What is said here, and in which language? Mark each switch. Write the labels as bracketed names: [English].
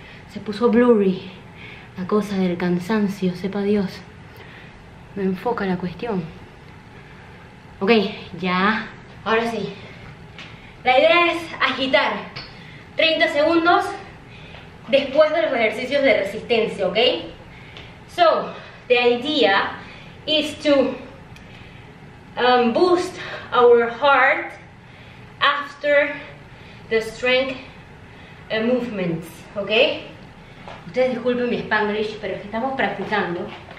[Spanish] Se puso blurry. La cosa del cansancio, sepa Dios. Me enfoca la cuestión. Ok, ya. Ahora sí. La idea es agitar 30 segundos después de los ejercicios de resistencia, ok? [English] So, the idea is to boost our heart after the strength movements, ok? [Spanish] Ustedes disculpen mi Spanglish, pero es que estamos practicando.